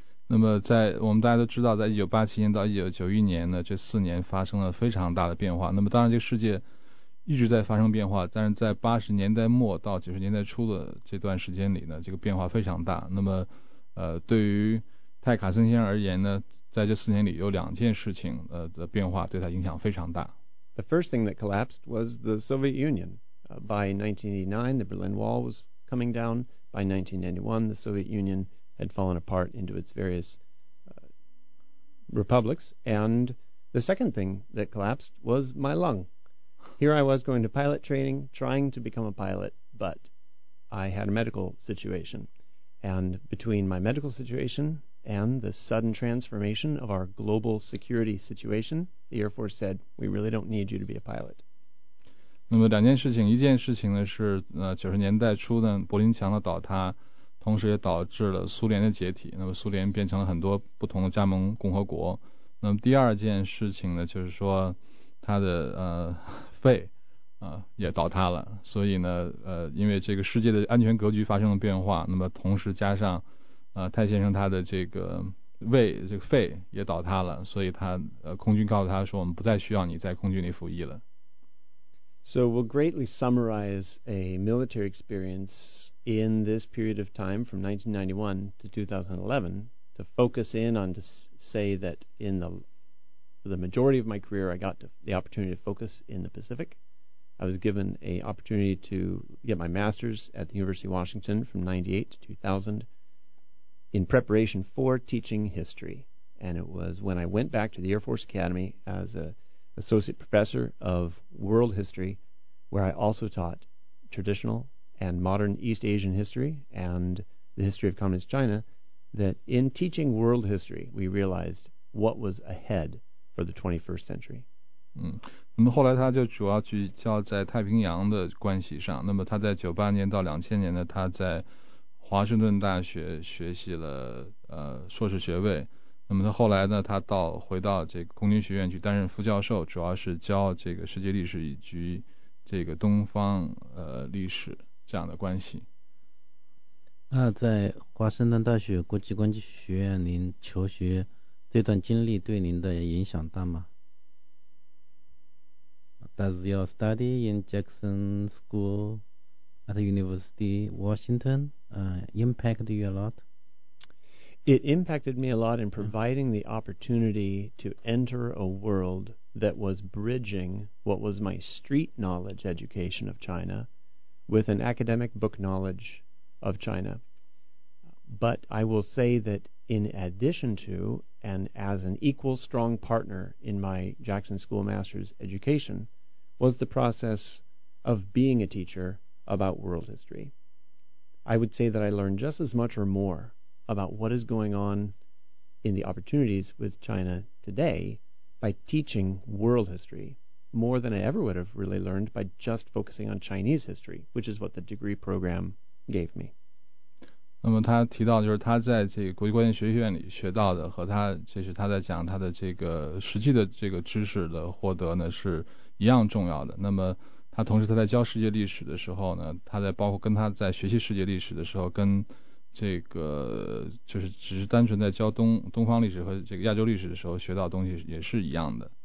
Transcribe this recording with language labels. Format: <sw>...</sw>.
<zh>那么在我们大家都知道，在1987年到1991年呢，这四年发生了非常大的变化。那么当然这个世界一直在发生变化，但是在80年代末到90年代初的这段时间里呢，这个变化非常大。那么对于泰卡森先生而言呢，在这四年里有两件事情的变化对他影响非常大。</zh> <en>The first thing that collapsed was the Soviet Union. By 1989, the Berlin Wall was coming down. By 1991, the Soviet Union had fallen apart into its various republics. And the second thing that collapsed was my lung. Here I was going to pilot training, trying to become a pilot, but I had a medical situation. And between my medical situation and the sudden transformation of our global security situation, the Air Force said, we really don't need you to be a pilot.</en> <zh>那么两件事情，一件事情呢是90年代初呢柏林墙的倒塌，同时也导致了苏联的解体，那么苏联变成了很多不同的加盟共和国。那么第二件事情呢就是说他的肺也倒塌了，所以呢因为这个世界的安全格局发生了变化，那么同时加上泰先生他的这个胃这个肺也倒塌了，所以他空军告诉他说我们不再需要你在空军里服役了。</zh> <en>So we'll greatly summarize a military experience in this period of time from 1991 to 2011 to focus in on to say that in the majority of my career I got the opportunity to focus in the Pacific. I was given a opportunity to get my master's at the University of Washington from 98 to 2000in preparation for teaching history. And it was when I went back to the Air Force Academy as an associate professor of world history, where I also taught traditional and modern East Asian history and the history of communist China, that in teaching world history, we realized what was ahead for the 21st century.</en> <zh>那么后来他就主要聚焦在太平洋的关系上。那么他在98年到2000年呢，他在华盛顿大学学习了硕士学位。那么他后来呢，他回到这个空军学院去担任副教授，主要是教这个世界历史以及这个东方历史这样的关系。那在华盛顿大学国际关系学院您求学这段经历对您的影响大吗？</zh> <en>Does your study in Jackson School at the University of Washington impacted you a lot? It impacted me a lot in providing the opportunity to enter a world that was bridging what was my street knowledge education of China with an academic book knowledge of China. But I will say that in addition to and as an equal strong partner in my Jackson School Master's education was the process of being a teacher about world history. I would say that I learned just as much or more about what is going on in the opportunities with China today by teaching world history more than I ever would have really learned by just focusing on Chinese history, which is what the degree program gave me.</en> <zh>那么他提到就是他在这个国际关系学院里学到的和他就是他在讲他的这个实际的这个知识的获得呢是一样重要的。那么他同时他在教世界历史的时候呢，他在包括跟他在学习世界历史的时候，跟这个就是只是单纯在教东方历史和这个亚洲历史的时候学到的东西也是一样的。</zh>